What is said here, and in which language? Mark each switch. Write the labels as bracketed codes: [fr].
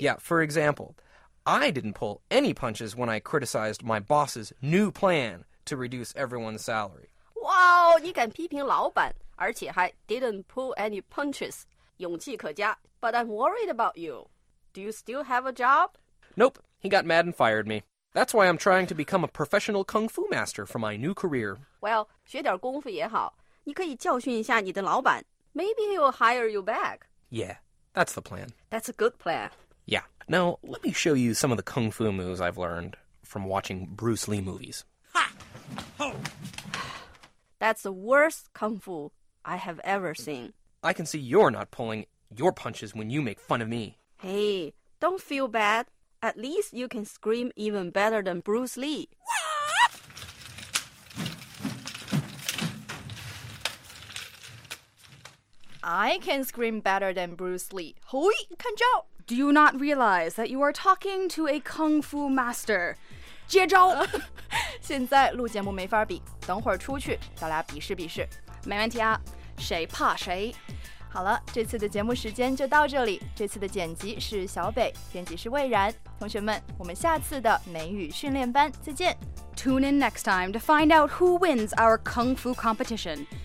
[en] Yeah, for example... I didn't pull any punches when I criticized my boss's new plan to reduce everyone's salary. [zh] Wow, 你敢批评老板，而且还 [en] didn't pull any punches, [zh] 勇气可嘉。 [en] But I'm worried about you. Do you still have a job? Nope, he got mad and fired me. That's why I'm trying to become a professional kung fu master for my new career. [zh] Well, 学点功夫也好，你可以教训一下你的老板。 [en] Maybe he will hire you back. Yeah, that's the plan. That's a good plan. Yeah, now let me show you some of the kung fu moves I've learned from watching Bruce Lee movies. Ha! Ho! That's the worst kung fu I have ever seen. I can see you're not pulling your punches when you make fun of me. Hey, don't feel bad. At least you can scream even better than Bruce Lee. I can scream better than Bruce Lee. Hui, kanjo! Do you not realize that you are talking to a kung fu master? [zh] 接招！现在录节目没法比，等会儿出去，咱俩比试比试。没问题啊，谁怕谁？好了，这次的节目时间就到这里。这次的剪辑是小北，编辑是蔚然。同学们，我们下次的美语训练班再见。 [en] Tune in next time to find out who wins our kung fu competition.